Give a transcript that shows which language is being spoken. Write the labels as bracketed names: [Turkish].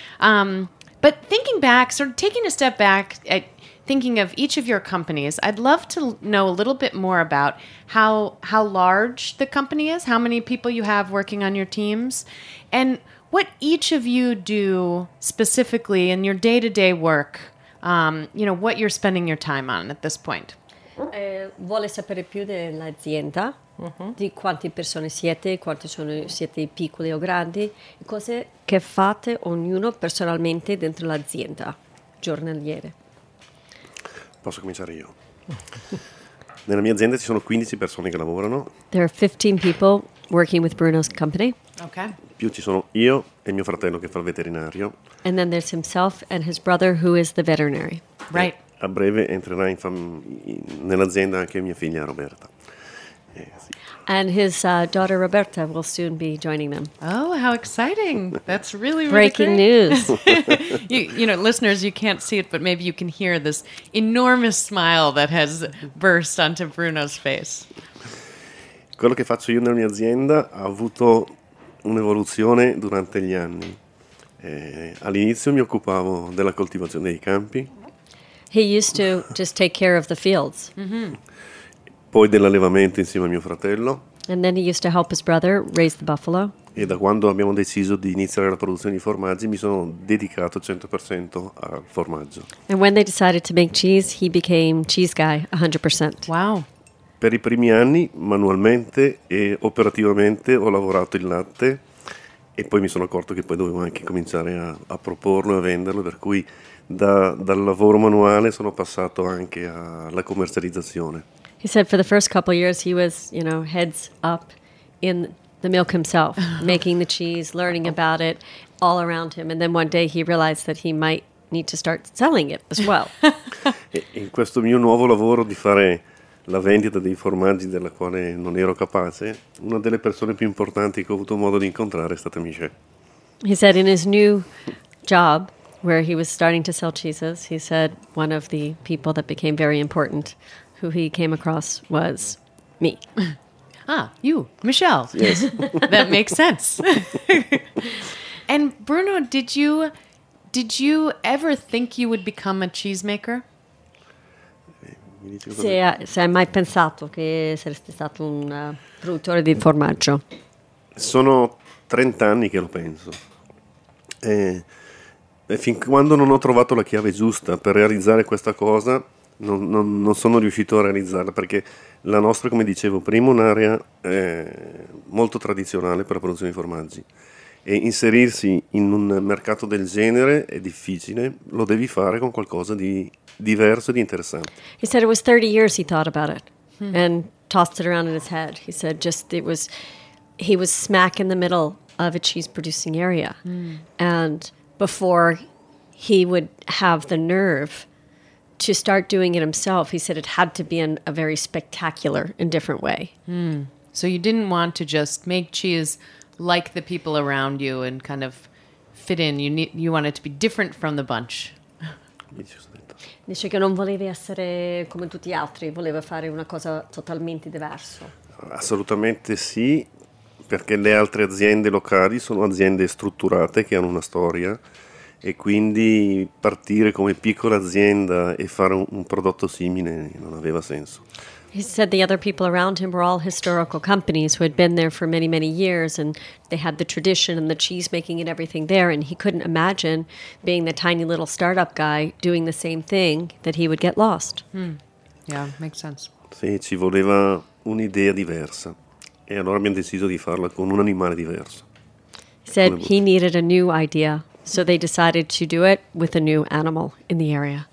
[English] But thinking back, sort of taking a step back at thinking of each of your companies, I'd love to know a little bit more about how large the company is, how many people you have working on your teams, and what each of you do specifically in your day-to-day work, you know, what you're spending your time on at this point. [Italian] Vuole sapere più dell'azienda, di quante persone siete, quanti sono siete piccoli o grandi, cose che fate ognuno personalmente dentro l'azienda, giornaliere. Posso cominciare io? Nella mia azienda ci sono 15 persone che lavorano. [English] There are 15 people working with Bruno's company. Okay. [Italian] Più ci sono io e mio fratello che fa il veterinario. [English] And then there's himself and his brother who is the veterinary. Right. [Italian] A breve entrerà in nell'azienda anche mia figlia Roberta. Sì. [English] And his daughter Roberta will soon be joining them. Oh, how exciting! That's really breaking really news. you know, listeners, you can't see it, but maybe you can hear this enormous smile that has burst onto Bruno's face. [Italian] Quello che faccio io nella mia azienda ha avuto un'evoluzione durante gli anni. All'inizio mi occupavo della coltivazione dei campi. [English] He used to just take care of the fields. Mm-hmm. [Italian] Poi dell'allevamento insieme a mio fratello. [English] And then he used to help his brother raise the buffalo. [Italian] E da quando abbiamo deciso di iniziare la produzione di formaggi, mi sono dedicato 100% al formaggio. [English] And when they decided to make cheese, he became cheese guy 100%. Wow. [Italian] Per i primi anni, manualmente e operativamente, ho lavorato il latte e poi mi sono accorto che poi dovevo anche cominciare a proporlo e a venderlo, per cui dal lavoro manuale sono passato anche alla commercializzazione. [English] He said for the first couple of years he was, you know, heads up in the milk himself, making the cheese, learning about it all around him, and then one day he realized that he might need to start selling it as well. [Italian] In questo mio nuovo lavoro di fare la vendita dei formaggi della quale non ero capace, una delle persone più importanti che ho avuto modo di incontrare è stata Michelle. [English] He said in his new job where he was starting to sell cheeses, he said one of the people that became very important who he came across was me. Ah, you, Michelle. Yes. That makes sense. And Bruno, did you ever think you would become a cheesemaker? [Italian] Se hai mai pensato che saresti stato un produttore di formaggio? Sono 30 anni che lo penso. E fin quando non ho trovato la chiave giusta per realizzare questa cosa, non sono riuscito a realizzarla, perché la nostra, come dicevo prima, è un'area molto tradizionale per la produzione di formaggi. E inserirsi in un mercato del genere è difficile, lo devi fare con qualcosa di diverso e di interessante. [English] He said it was 30 years he thought about it and tossed it around in his head. He said he was smack in the middle of a cheese producing area. And before he would have the nerve to start doing it himself, he said it had to be in a very spectacular and different way. So you didn't want to just make cheese like the people around you and kind of fit in. You want it to be different from the bunch. [Italian] Dice che non voleva essere come tutti gli altri, voleva fare una cosa totalmente diversa. Assolutamente sì, perché le altre aziende locali sono aziende strutturate che hanno una storia, e quindi partire come piccola azienda e fare un prodotto simile non aveva senso. [English] He said the other people around him were all historical companies who had been there for many, many years, and they had the tradition and the cheese making and everything there, and he couldn't imagine being the tiny little startup guy doing the same thing, that he would get lost. Yeah, makes sense. [Italian] Sì, ci voleva un'idea diversa. E allora abbiamo deciso di farla con un animale diverso. [English] Said he needed a new idea, so they decided to do it with a new animal in the area.